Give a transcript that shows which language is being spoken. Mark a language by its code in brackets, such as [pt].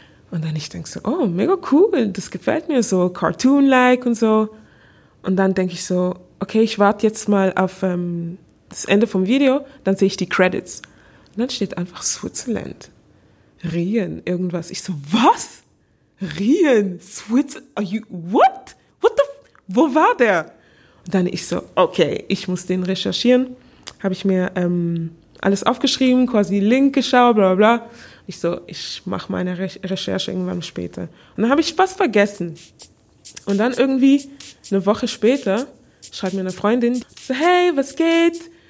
[de] Und dann ich denke so, oh, mega cool, das gefällt mir so, cartoon-like und so. Und dann denke ich so, okay, ich warte jetzt mal auf das Ende vom Video, dann sehe ich die Credits. Und dann steht einfach Switzerland, Rien, irgendwas. Ich so, was? [en] Rien, Switzerland, are you, what? What the, [de] wo war der? Und dann ich so, okay, ich muss den recherchieren. Habe ich mir alles aufgeschrieben, quasi Link geschaut, bla bla bla. Ich so, ich mache meine Recherche irgendwann später. Und dann habe ich was vergessen. Und dann irgendwie eine Woche später schreibt mir eine Freundin, so, hey, was geht?